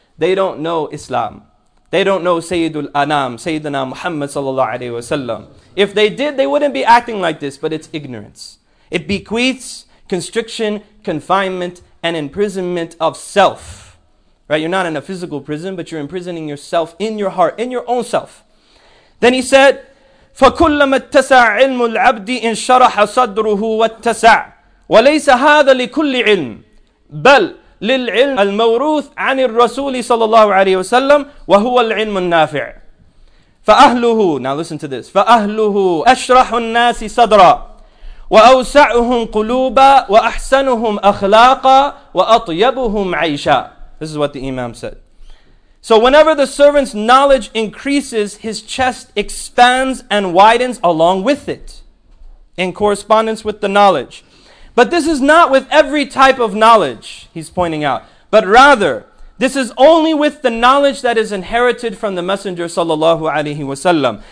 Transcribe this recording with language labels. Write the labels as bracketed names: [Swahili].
[English] They don't know Islam. They don't know Sayyidul Anam, Sayyidina Muhammad sallallahu alayhi wa sallam. If they did, they wouldn't be acting like this, but it's ignorance. It bequeaths constriction, confinement, and imprisonment of self. Right? You're not in a physical prison, but you're imprisoning yourself in your heart, in your own self. Then he said, [Arabic] فَكُلَّمَا اتَّسَعَ عِلْمُ الْعَبْدِ إِنْ شَرَحَ صَدْرُهُ وَاتَّسَعَ وَلَيْسَ هَذَا لِكُلِّ عِلْمٍ بَلْ لِلْعِلْمِ الْمَوْرُوثِ عَنِ الرَّسُولِ صَلَى اللَّهُ عَلَيْهِ وَسَلَّمْ وَهُوَ الْعِلْمُ النَّافِعِ فَأَهْلُهُ [English] Now listen to this. [Arabic] فَأَهْلُهُ أَشْرَحُ النَّاسِ صَدْرًا وَأَوْسَعُهُمْ قُلُوبًا وَأَحْسَنُهُمْ أَخْلَاقًا وَأَطْيَبُهُمْ عَيْشًا [English] This is what the Imam said. So whenever the servant's knowledge increases, his chest expands and widens along with it, in correspondence with the knowledge. But this is not with every type of knowledge, he's pointing out. But rather, this is only with the knowledge that is inherited from the Messenger sallallahu alaihi wasallam.